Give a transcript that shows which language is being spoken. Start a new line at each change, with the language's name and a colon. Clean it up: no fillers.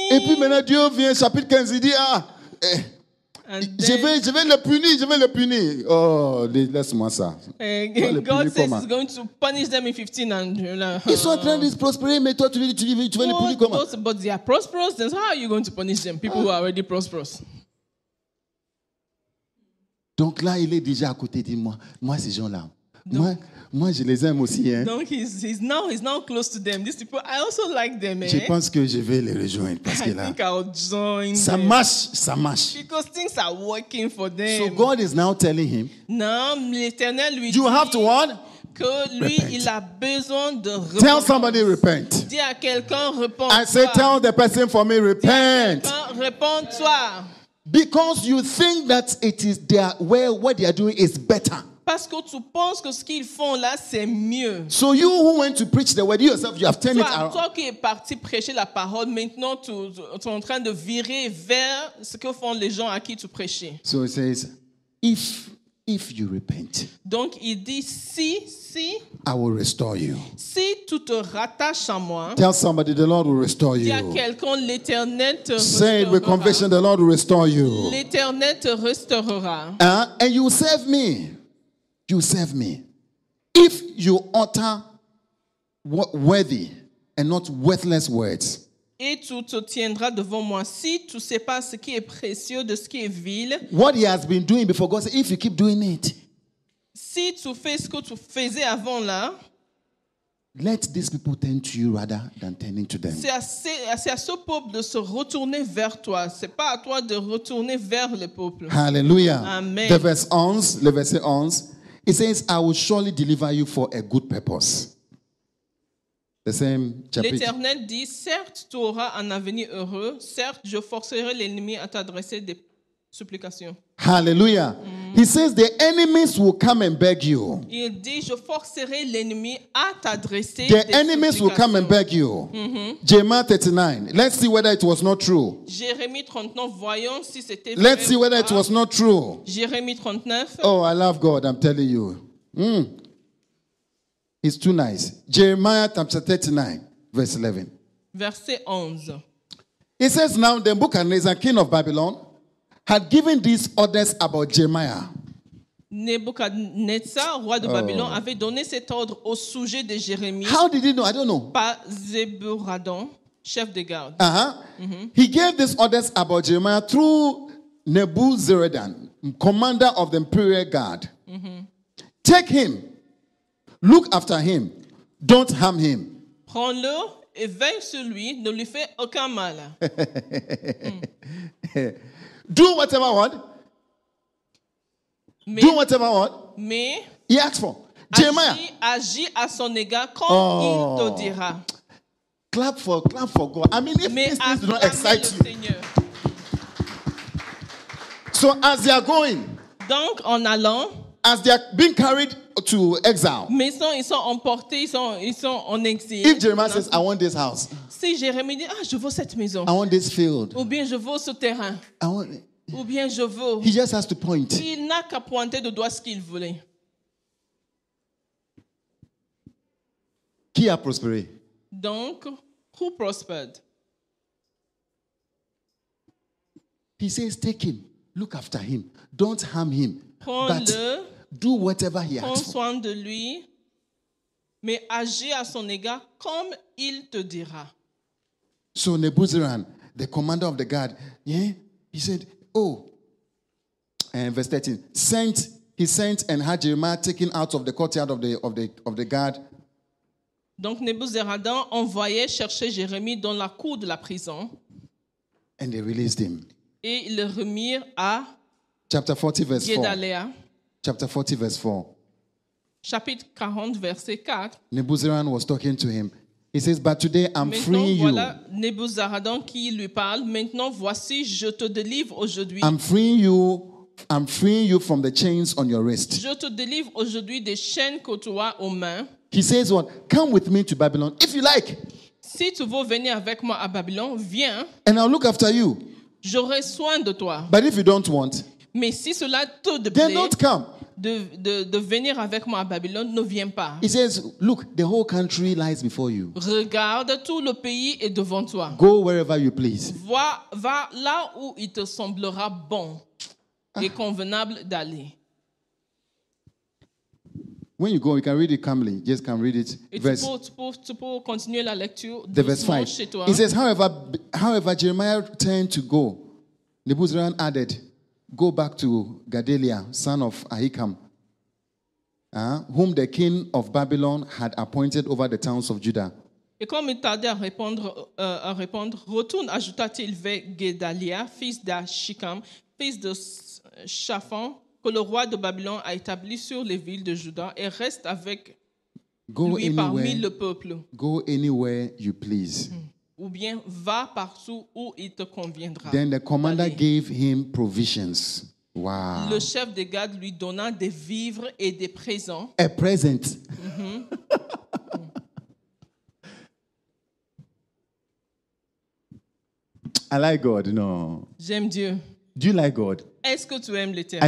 French: Et puis maintenant Dieu vient, chapitre 15, il dit, ah, je vais le punir. Oh, laisse-moi ça.
English: God says he's going to punish them in 15. And,
French: ils sont en train de se prospérer, mais toi tu vas les punir comment?
English: But they are prosperous, then how are you going to punish them? People who are already prosperous.
French: Donc là, il est déjà à côté, dis-moi. Moi, ces gens-là. Moi, je les aime aussi, hein.
English: Donc, he's now close to them. These people, I also like them,
French: Je pense que je vais les rejoindre parce que là.
English: I think I'll join.
French: Ça marche, ça marche.
English: Because things are working for them. So God is now telling him.
French: Non, l'Éternel lui dit.
English: You have to what?
French: Que lui, repent. Il a besoin de repentir.
English: Tell somebody repent.
French: Dis à quelqu'un repent.
English: I say, tell the person for me repent.
French: Repent-toi.
English: Because you think that it is their way, what they are doing is better.
French: Parce que tu penses que ce qu'ils font là, c'est mieux.
English: So you who went to preach the word, you yourself, you have turned it around.
French: Toi qui es parti prêcher la parole, maintenant tu es en train de virer vers ce que font les gens à qui tu prêchais.
English: So it says, if you repent.
French: Donc il dit, si.
English: I will restore you.
French: Si tu te rattaches à moi.
English: Tell somebody the Lord will restore you.
French: Dis à quelqu'un, l'Éternel te restaurera.
English: Say it with conviction, the Lord will restore you.
French: L'Éternel te restaurera.
English: And you save me. You serve me. If you utter worthy and not worthless words.
French: Et tu te tiendras devant moi si tu sais pas ce qui est précieux de ce qui est vil.
English: What he has been doing before God, if you keep doing it.
French: Si tu fais ce que tu faisais avant là.
English: Let these people turn to you rather than turning to them.
French: C'est à ce peuple de se retourner vers toi. C'est pas à toi de retourner vers le peuple. Hallelujah. Amen. Le verset 11.
English: It says, I will surely deliver you for a good purpose. The same chapter.
French: L'Éternel dit, certes, tu auras un avenir heureux. Certes, je forcerai l'ennemi à t'adresser des supplications. Hallelujah.
English: He says, the enemies will come and beg you.
French: Il dit, je forcerai l'ennemi à t'adresser des supplications.
English: The enemies will come and beg you. Jeremiah 39. Let's see whether it was not true.
French: Jérémie 39, voyons si c'était vrai.
English: Let's see whether it was not true.
French: Jérémie 39.
English: Oh, I love God, I'm telling you. It's too nice. Jeremiah chapter 39, verse 11.
French: Verset 11.
English: It says, now Nebuchadnezzar, king of Babylon, had given these orders about Jeremiah.
French: Nebuchadnezzar, roi de Babylone, avait donné cet ordre au sujet de Jérémie.
English: How did he know? I don't know.
French: Par Zeburadon, chef de garde.
English: He gave these orders about Jeremiah through Nebuzaradan, commander of the imperial guard. Take him. Look after him. Don't harm him.
French: Prends-le et veille sur lui. Ne lui fais aucun mal.
English: Do whatever I want.
French: Mais,
English: do whatever I want.
French: Mais,
English: he asked for. Jeremiah.
French: Agis à son égard comme il te dira.
English: Clap for God. I mean, if this does not excite you.
French: Seigneur.
English: So as they are going.
French: Donc en allant.
English: As they are being carried to exile.
French: Mais ils sont emportés, ils sont en exil.
English: If Jeremiah says, I want this house.
French: Si Jérémie dit, je veux cette maison.
English: I want this field.
French: Ou bien je veux ce terrain. Ou bien je veux.
English: He just has to point.
French: Il n'a qu'à pointer de doigt ce qu'il voulait. Qui a prospéré?
English: Donc, who prospered? He says, take him. Look after him. Don't harm him.
French: Prends-le.
English: Do whatever he asks.
French: Prends soin de lui. Mais agis à son égard comme il te dira.
English: So Nebuzaradan, the commander of the guard, he said, verse 13, he sent and had Jeremiah taken out of the courtyard of the guard.
French: Donc Nebuzaradan envoyait chercher Jérémie dans la cour de la prison.
English: And they released him.
French: Et ils le remirent à
English: chapter 40, verse 4.
French: Gedaléa.
English: Chapter 40, verse 4.
French: Chapitre 40, verset 4.
English: Nebuzaradan was talking to him. He says, but today I'm freeing you.
French: Nebuzaradan qui lui parle. Maintenant, voici, je te délivre aujourd'hui.
English: I'm freeing you from the chains on your wrist.
French: Je te délivre aujourd'hui des chaînes que tu as aux mains.
English: He says what? Come with me to Babylon, if you like.
French: Si tu veux venir avec moi à Babylon, viens.
English: And I'll look after you.
French: J'aurai soin de toi.
English: But if you don't want.
French: Mais si cela te déplaît.
English: Then don't come.
French: De venir avec moi à Babylone, ne viens pas.
English: He says, look, the whole country lies before you.
French: Regarde, tout le pays est devant toi.
English: Go wherever you please.
French: Va là où il te semblera bon et convenable d'aller.
English: When you go, you can read it calmly. Just come read it.
French: Tu peux continuer la lecture.
English: The verse 5. He says, however, Jeremiah turned to go. Nebuzaradan added, go back to Gedaliah, son of Ahikam, whom the king of Babylon had appointed over the towns of Judah.
French: Et comme il tardait à répondre, retourne, ajouta-t-il, vers Gedaliah, fils d'Ahikam, fils de Shaphan, que le roi de Babylone a établi sur les villes de Juda, et reste avec
English: go
French: lui
English: anywhere,
French: parmi le peuple.
English: Go anywhere you please.
French: Ou bien va partout où il te conviendra.
English: Then the commander gave him provisions. Wow.
French: Le chef de garde lui donna des vivres et des présents.
English: A present. I like God, no.
French: J'aime Dieu.
English: Do you like God?
French: Est-ce que tu aimes l'Éternel?